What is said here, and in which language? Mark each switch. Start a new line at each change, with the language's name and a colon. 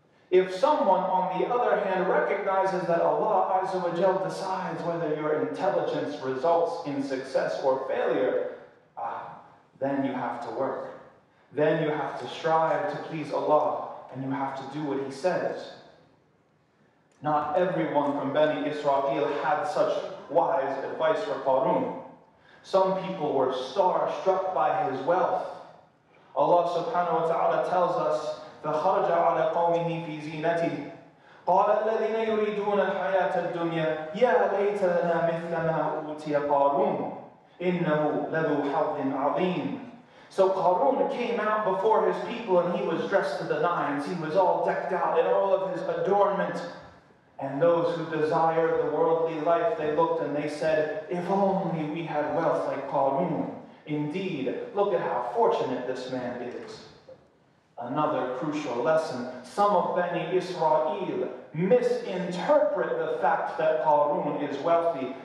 English: If someone, on the other hand, recognizes that Allah Azza wa Jalla decides whether your intelligence results in success or failure, then you have to work. Then you have to strive to please Allah, and you have to do what He says. Not everyone from Bani Israel had such wise advice for Qarun. Some people were starstruck by his wealth. Allah subhanahu wa ta'ala tells us,
Arabic: فَخَرْجَ عَلَى قَوْمِهِ فِي زِينَتِهِ قَالَ الَّذِينَ يُرِيدُونَ الْحَيَاةَ الدُّنْيَا يَا لَيْتَ لَنَا مِثْلَ مَا أُوتِيَ قَارُونَ إِنَّهُ لَذُو حَظٍ عَظِيمٍ.
English: So Qarun came out before his people, and he was dressed to the nines. He was all decked out in all of his adornment. And those who desired the worldly life, they looked and they said, if only we had wealth like Qarun. Indeed, look at how fortunate this man is. Another crucial lesson: some of Bani Israel misinterpret the fact that Qarun is wealthy.